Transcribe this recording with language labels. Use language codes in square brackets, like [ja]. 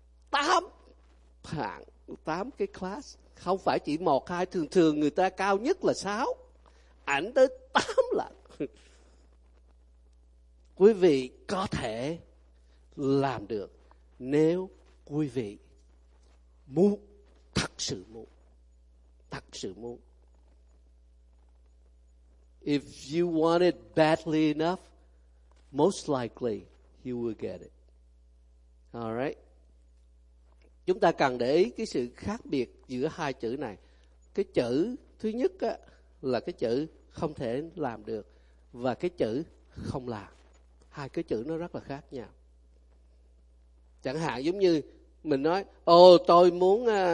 [vi] 8 hạng, 8 cái class. Không phải chỉ 1, 2, thường thường người ta cao nhất là 6. Ảnh tới 8 lần. Quý vị có thể làm được nếu quý vị muốn, thật sự muốn. Thật sự muốn. [en] If you want it badly enough, most likely you will get it. All right. [vi] Chúng ta cần để ý cái sự khác biệt giữa hai chữ này. Cái chữ thứ nhất á, là cái chữ không thể làm được và cái chữ không làm. Hai cái chữ nó rất là khác nhau. Chẳng hạn giống như mình nói, ồ tôi muốn...